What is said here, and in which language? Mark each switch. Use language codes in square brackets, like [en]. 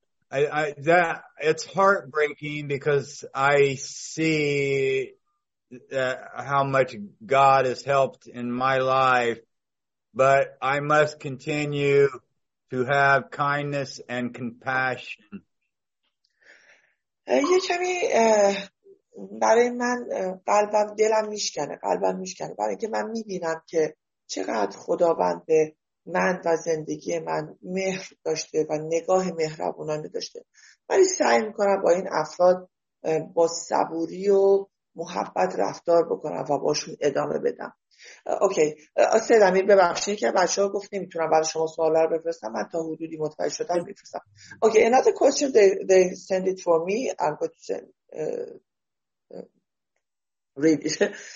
[en] That it's heartbreaking because I see how much God has helped in my life, but I must continue to have kindness and compassion. You tell me. [fa] برای من قلبم دلم میشکنه، قلبم میشکنه، برای اینکه من میبینم که چقدر خداوند به من و زندگی من مهر داشته و نگاه مهربونانه داشته، ولی سعی میکنم با این افراد با صبوری و محبت رفتار بکنم و باشون ادامه بدم. اوکی، استاد امیر ببخشید که بچه ها گفت نمیتونم برای شما سوال رو بفرستم، من تا حدودی متوجه شدم میفرستم. [en] Okay, another question they send it for me. I'm going to send, read it.